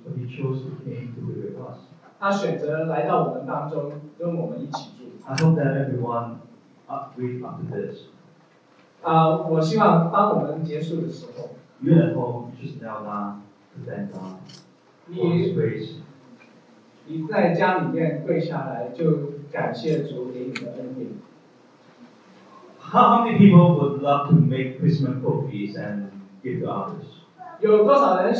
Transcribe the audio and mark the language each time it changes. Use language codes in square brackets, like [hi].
[en] But he chose to came to live with us. [zh] 他选择来到我们当中，跟我们一起住。 [en] I hope that everyone upgrade after this. [zh] 我希望当我们结束的时候。 [en] You at home just knelt down to thank God for his grace. [zh] 你在家里面跪下来，就感谢主给你的恩典。 [en] How many people would love to make Christmas cookies and give to others?